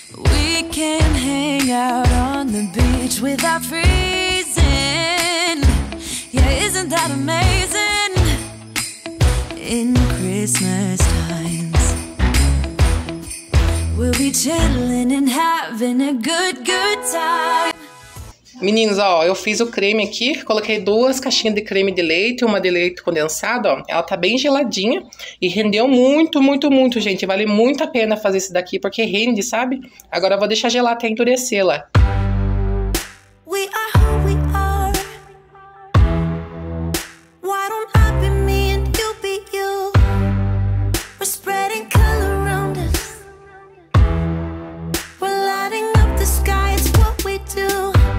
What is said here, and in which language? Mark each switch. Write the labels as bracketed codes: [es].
[en] We can hang out on the beach without freezing. Yeah, isn't that amazing? In Christmas times, we'll be chilling and having a good time. [pt] Meninos, ó, eu fiz o creme aqui, coloquei duas caixinhas de creme de leite, uma de leite condensado, ó, ela tá bem geladinha e rendeu muito, gente, vale muito a pena fazer esse daqui porque rende, sabe? Agora eu vou deixar gelar até endurecê-la. [en] We are who we are. Why don't I be me and you be you? We're spreading color around us. We're lighting up the sky, it's what we do.